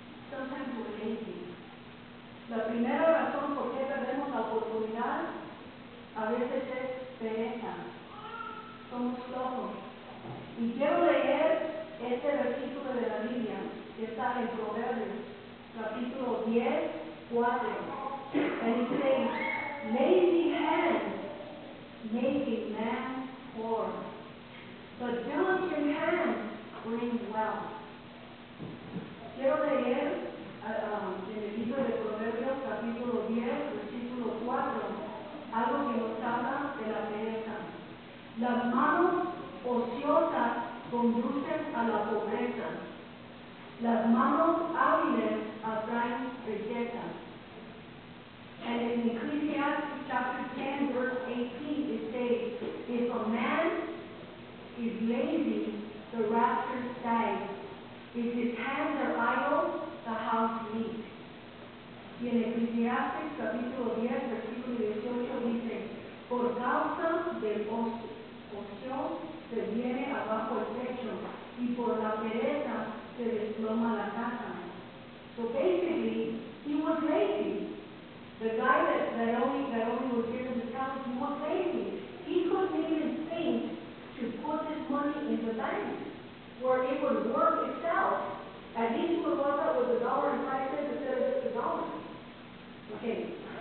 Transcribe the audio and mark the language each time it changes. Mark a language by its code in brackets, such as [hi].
[en] Sometimes we're lazy. [es] La primera razón por qué perdemos la oportunidad a veces es pereza. Somos flojos. Y quiero leer este versículo de la Biblia que está en Proverbios, capítulo 10, 4. [en] And it says, lazy hands make a man poor, but diligent hands bring wealth. [es] Quiero leer en el libro de Proverbios, capítulo 10, versículo 4, algo que nos habla de la pereza. Las manos ociosas conducen a la pobreza. Las manos hábiles atraen riqueza. [en] And in Ecclesiastes chapter 10, verse 18, it says, if a man is lazy, the rafters sag. If his hands are idle, the house leaks. [es] Y en Ecclesiastes capítulo 10, versículo 18, dice, por causa del ocio se viene abajo el techo, y por la pereza se desploma la casa. [en] So basically, he was lazy. The guy that only was here in the house, he was lazy. He couldn't even think to put his money in the bank where it would work itself. And he would work out with a dollar and 5 cents instead of just a dollar. Okay.